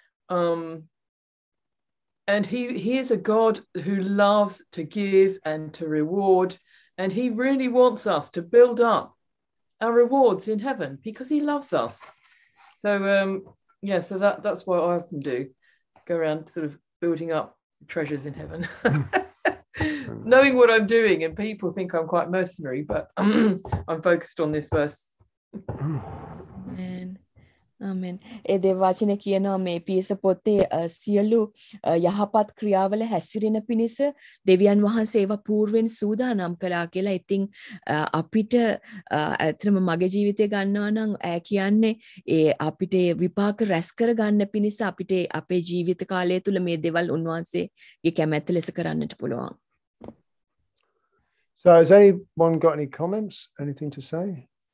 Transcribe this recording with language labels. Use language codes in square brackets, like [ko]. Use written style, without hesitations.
[en] And he is a God who loves to give and to reward, and he really wants us to build up our rewards in heaven because he loves us. So, so that's what I often do, go around sort of building up treasures in heaven. Knowing what I'm doing, and people think I'm quite mercenary, but I'm focused on this verse. Amen. Amen. [si] ඒ දේව වචන කියනවා මේ පියස පොතේ සියලු යහපත් ක්‍රියාවල හැසිරෙන පිණිස දෙවියන් වහන්සේව පූර්වෙන් සූදානම් කළා කියලා. ඉතින් අපිට ඇත්තම මගේ ජීවිතය ගන්නවා නම් ඈ කියන්නේ ඒ අපිට විපාක රැස් කර ගන්න පිණිස අපිට අපේ ජීවිත කාලය තුළ මේ දේවල් උන්වහන්සේගේ කැමැත්ත ලෙස කරන්නට පුළුවන්. [en] So has anyone got any comments, anything to say?